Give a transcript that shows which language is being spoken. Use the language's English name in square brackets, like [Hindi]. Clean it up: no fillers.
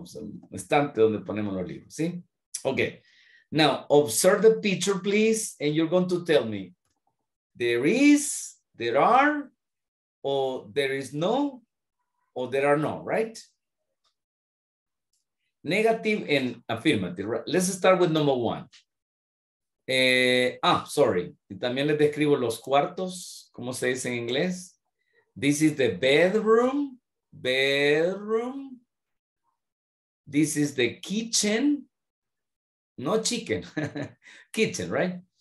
[Spanish] O sea, un estante donde ponemos los libros, ¿sí? [English] Okay. Now, observe the picture, please. And you're going to tell me. There is, there are, or there is no, or there are no, right? Negative and affirmative, right? Let's start with number one. Sorry. [Spanish] Y también les describo los cuartos, ¿cómo se dice en inglés? [English] This is the bedroom, bedroom. This is the kitchen, no chicken, kitchen, right?